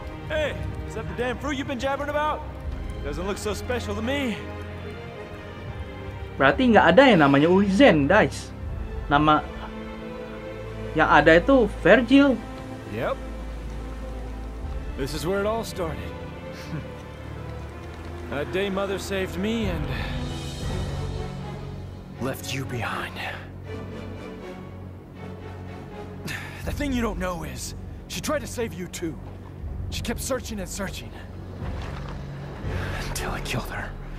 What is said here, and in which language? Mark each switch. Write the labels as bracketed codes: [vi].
[en] Hey, is that the damn fruit you've been jabbering about? Doesn't look so special to me. [id] Berarti nggak ada yang namanya Urizen, guys. Nama yang ada itu Vergil. [en] Yep. This is where it all started. That day mother saved me and left you behind. The thing you don't know is, she tried to save you too. She kept searching and searching until I killed her.